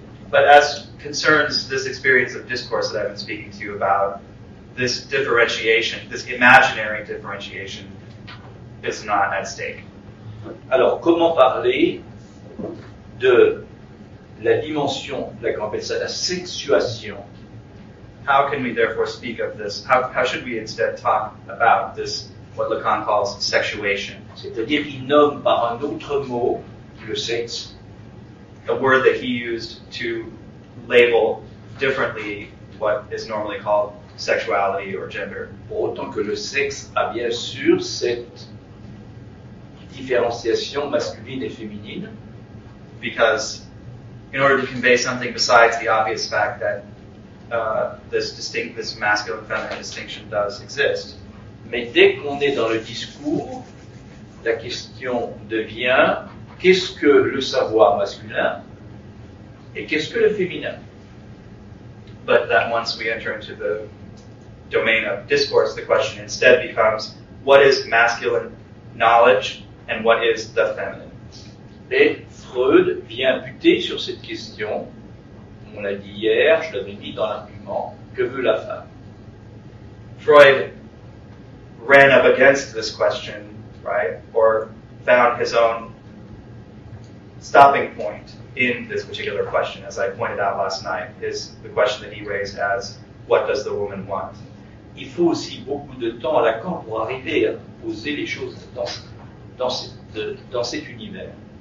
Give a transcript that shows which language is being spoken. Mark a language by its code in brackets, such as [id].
[en] But as concerns this experience of discourse that I've been speaking to you about, this differentiation, this imaginary differentiation, is not at stake. [fr] Alors, comment parler de la dimension, la, qu'on appelle ça, la sexuation? [en] How can we therefore speak of this? How should we instead talk about this, what Lacan calls sexuation? [fr] C'est-à-dire qu'il nomme par un autre mot le sexe. [en] A word that he used to label differently what is normally called sexuality or gender. [fr] Pour autant que le sexe a bien sûr cette différenciation masculine et féminine. [en] Because in order to convey something besides the obvious fact that this masculine-feminine distinction does exist. [fr] Mais dès qu'on est dans le discours, la question devient qu'est-ce que le savoir masculin et qu'est-ce que le féminin? [en] But that once we enter into the domain of discourse, the question instead becomes what is masculine knowledge and what is the feminine? [fr] Et Freud vient buter sur cette question. On l'a dit hier, je l'avais dit dans l'argument, que veut la femme? [en] Freud ran up against this question, right? Or found his own stopping point in this particular question, as I pointed out last night, is the question that he raised as, what does the woman want? [fr] Il faut aussi beaucoup de temps à Lacan pour arriver à poser les choses dans cet univers.